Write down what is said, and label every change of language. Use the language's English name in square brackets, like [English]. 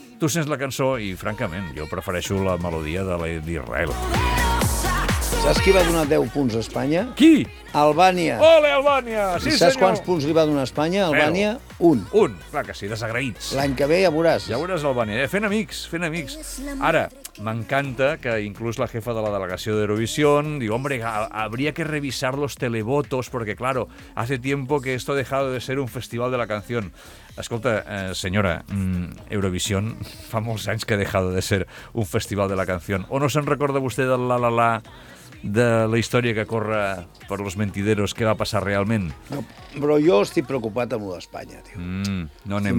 [Catalan] Tu sents la cançó i, francament, jo prefereixo la melodia de la d'Israel. Saps qui va donar 10 punts a Espanya? Qui? Albània. Ole, Albània! Sí, saps quants punts li va donar a Espanya? Albània, un. Un, clar que sí, desagraïts. L'any que ve ja veuràs. Ja veuràs Albània, fent amics. Ara, m'encanta que inclús la jefa de la delegació d'Eurovisió diu, [Spanish] hombre, habría que revisar los televotos porque, claro, hace tiempo que esto ha dejado de ser un festival de la canción. [Catalan] Escolta, senyora, Eurovisió fa molts anys que [Spanish] ha dejado de ser un festival de la canción. [Catalan] ¿O no se'n recorda vostè del la-la-la de la història que corre per los mentideros, què va passar realment? No, però jo estic preocupat amb l'Espanya, tio. No anem